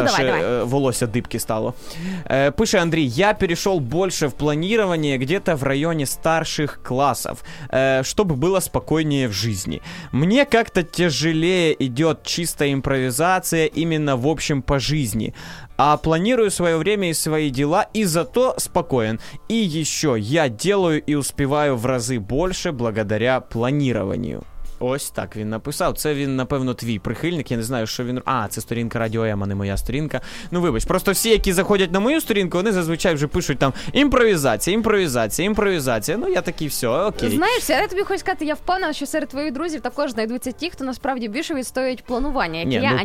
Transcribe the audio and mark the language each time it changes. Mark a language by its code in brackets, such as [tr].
[uk] аж давай. Волосся дибки стало. Пише Андрій, я перейшов більше в плануванні, где-то в районі старших класів, щоб було спокійніше в житті. Мені як-то тяжелее йде чиста імпровізація іменно [ru] в общем [uk] по житті. [ru] А планирую свое время и свои дела, и зато спокоен. И еще, я делаю и успеваю в разы больше благодаря планированию. [uk] Ось так він написав. Це він, напевно, твій прихильник. Я не знаю, що він... А, це сторінка Радіо М, а не моя сторінка. Ну, вибач. Просто всі, які заходять на мою сторінку, вони зазвичай вже пишуть там «Імпровізація, імпровізація, імпровізація». Ну, я такий, все, окей. Знаєш, я тобі хочу сказати, я впевнена, що серед твоїх друзів також знайдуться ті, хто насправді більше відстоюють планування, як я, аніж